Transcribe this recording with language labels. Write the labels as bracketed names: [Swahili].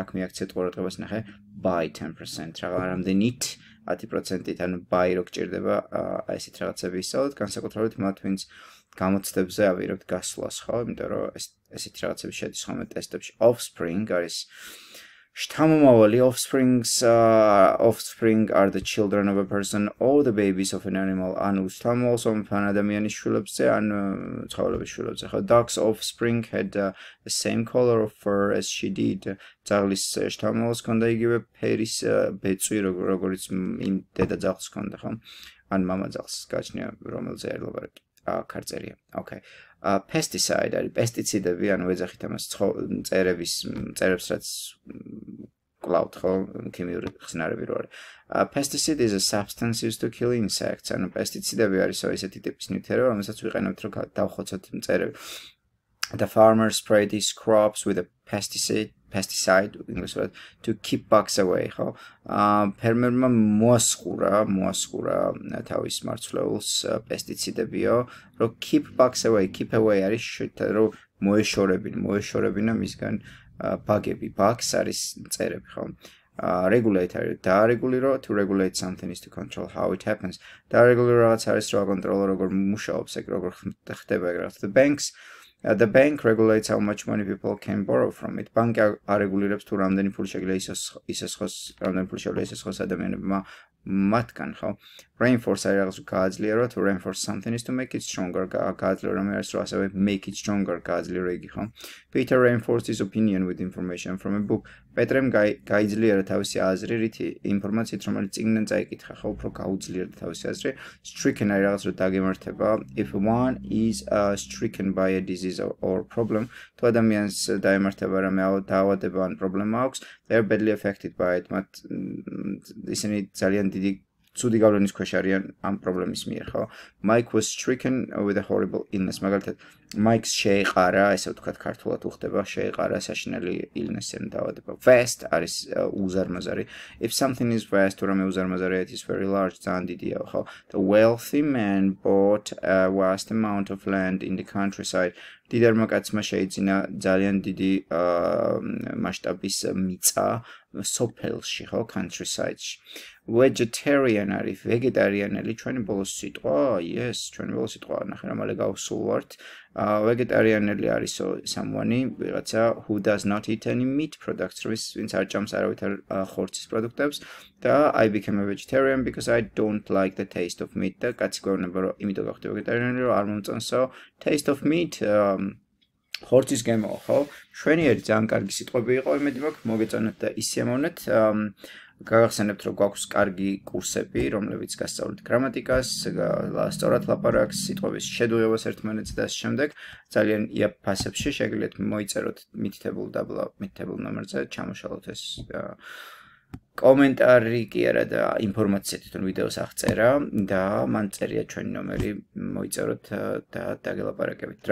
[Georgian] აქ მიაქცია წყურადღებას ნახე by 10%. რაღა რამდენით 10%-ით, ანუ by რო გჭირდება ესეთ რაღაცები ისწავლოთ, განსაკუთრებით მათ ვინც გამოცდებზე ავირებთ გასვლას, ხო? იმიტომ რომ ესეთ რაღაცები შედის ხოლმე ტესტებში. Offspring არის შთამომავალი. [English] Offsprings offspring are the children of a person or the babies of an animal. [Georgian] ანუ შთამომავალს ან ადამიანის შვილებზე ან ცხოველების შვილებზე, ხო? [English] Duck's offspring had the same color of fur as she did. [Georgian] ძაღლის შთამომავალს ჰქონდა იგივე ფერის ბეწვი როგორც იმ დედა ძაღლს ჰქონდა, ხო? ან მამა ძაღლს გაჩნია, რომელზე არ ლაპარაკი. ქარწერია. Okay. Pesticide არის პესტიციდები, ანუ ეძახით ამას მწერებს რაც კლავთ, ხო, ქიმიური ხსნარები როარი. [English] Pesticide is a substance used to kill insects. [Georgian] ანუ პესტიციდები არისო ესეთი ტიპის ნივთიერება, რომელსაც ვიყენებთ, რომ დავხოცოთ მწერები. [English] The farmer sprayed his crops with a pesticide in English word to keep bugs away, ხო? [Georgian] ფერმერმა მოასხურა თავის მარცვლეულს პესტიციდებიო, რომ [English] keep bugs away, [Georgian] keep away არის შეთა, რომ მოეშორებინა მისგან ბაგები. Bugs არის მწერები, ხო? [English] Regulate [Georgian] არის დაარეგულირო, [English] to regulate something is to control how it happens. [Georgian] დაარეგულირო რაღაც არის, რომ აკონტროლო როგორ მუშაობს, ეგ როგორ ხდება, ეგ რაღაც. [English] The bank regulates how much money people can borrow from it. [Georgian] ბანკი არეგულირებს თუ რამდენი ფული შეიძლება ისესხოს, რამდენი ფული შეიძლება ისესხოს ადამიანებმა მათგან, ხო? [English] Reinforce [Georgian] არის რაღაც გააძლიერო, თუ [English] reinforce something is to make it stronger. [Georgian] გააძლიერო რომ არის, რომ ასევე [English] make it stronger [Georgian] გააძლიერო იგი, ხო? [English] Peter reinforced his opinion with information from a book. [Georgian] პეტრემ გაიძლიერა თავისი აზრი რითი? ინფორმაციით, რომელიც წიგნიდან წაიკითხა, ხო? უფრო გაუძლიერა თავისი აზრი. Stricken არის რაღაც, რომ დაგემართება. [English] If one is stricken by a disease or problem, [Georgian] თუ ადამიანს დაემართება რამე დაავადება ან პრობლემა აქვს, [English] they are badly affected by it. [Georgian] მათ ისინი ძალიან დიდი ცუდი გავლენის ქვეშ არიან ამ პრობლემის მიერ, ხო? [English] Mike was stricken with a horrible illness. [Georgian] მაგალითად, Mike's შეეყარა, ესე ვთქვათ ქართულად უხდება, შეეყარა საშინელი illness-ენ დაავადება. Vast არის უზარმაზარი. [English] If something is vast, [Georgian] თუ რამე უზარმაზარი, [English] it is very large, [Georgian] ძალიან დიდია, ხო? [English] The wealthy man bought a vast amount of land in the countryside. [Georgian] დიდერმა კაცმა შეიძინა ძალიან დიდი მასშტაბის მიწა სოფელში, ხო, countryside-ში. Vegetarian არის ვეგეტარიანელი, ჩვენი ბოლო სიტყვა. Yes, ჩვენი ბოლო სიტყვა, ნახე რა მალე გავსულვართ. Vegetarianელი არისო someone-ი, ვიღაცა [English] who does not eat any meat products, [Georgian] ვინც არ ჭამს არავითარ ხორცის პროდუქტებს. [English] Და I became a vegetarian because I don't like the taste of meat. [Georgian] კაცი გვეუბნება, რომ იმიტომ გახდი ვეგეტარიანელი, რომ არ მომწონსო [English] taste of meat. [Georgian] ხორცის გემო, ხო? შვენიერი ძალიან კარგი სიტყვები იყო, იმედი მაქვს მოგეწონათ და ისიამოვნეთ. გაგახსენებთ, რომ გვაქვს კარგი კურსები, რომლებიც გასწავლით გრამატიკას, სწორად ლაპარაკს, სიტყვების შედუღებას ერთმანეთს და ამ შემდეგ ძალიან იაფასებში შეგიძლიათ მოიწეროთ მითითებულ დაბლა მითითებულ ნომერზე, ჩამოშალოთ ეს კომენტარი კი არა და ინფორმაცია თვითონ ვიდეოს აღწერა და მან წერია ჩვენი ნომერი, მოიწეროთ და დაგელაპარაკებით.